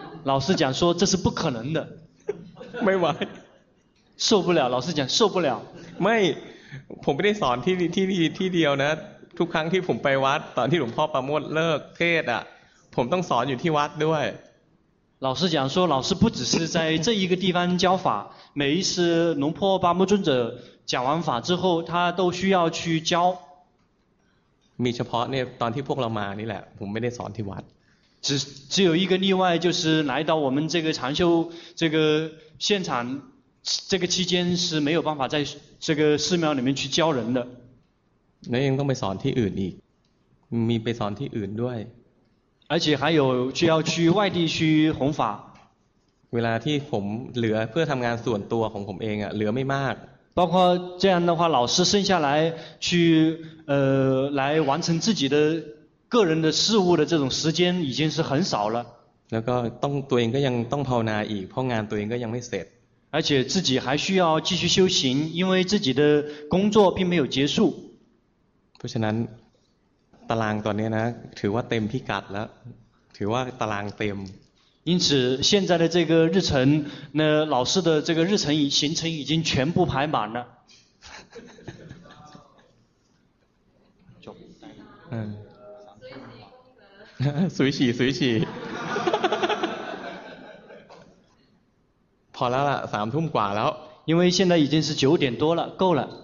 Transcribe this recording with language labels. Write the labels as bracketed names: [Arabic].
[Chinese] 老师讲说这是不可能的 [Thai] ไม่ไหว [Chinese] 受不了老师讲受不了 [Thai] ไม่ผมไม่ได้สอนที่เดียวนะทุกครั้งที่ผมไปวัดตอนที่หลวงพ่อประโมทเลิกเทศอ่ะผมต้องสอนอยู่ที่วัดด้วย [Chinese] 老师讲说老师不只是在这一个地方教法每一次龙破八木尊者讲完法之后他都需要去教 [Thai] มีเฉพาะเนี่ยตอนที่พวกเรามานี่แหละผมไม่ได้สอนที่วัด [Chinese] 只有一个例外就是来到我们这个禅修这个现场这个期间是没有办法在这个寺庙里面去教人的那 [Thai] ยังต้องไปสอนที่อื่นอีกมีไปสอนที่อื่นด้วย [Chinese] 而且还有就要去外地去弘法 [Thai] เวลาที่ผมเหลือเพื่อทำงานส่วนตัวของผมเองอ่ะเหลือไม่มาก [Chinese] 包括这样的话老师剩下来去来完成自己的个人的事务的这种时间已经是很少了 [Thai] แล้วก็ต้องตัวเองก็ยังต้องภาวนาอีกเพราะงานตัวเองก็ยังไม่เสร็จ [Chinese] 而且自己还需要继续修行因为自己的工作并没有结束 [Thai] เพราะฉะนั้นตารางตอนนี้นะถือว่าเต็มพิกัดแล้วถือว่าตารางเต็ม [Chinese] 因此现在的这个日程那老师的这个日程行程已经全部排满了就嗯随喜随喜 [Thai] พอแล้วล่ะสามทุ่มกว่าแล้ว [Chinese] 因为现在已经是九点多了够了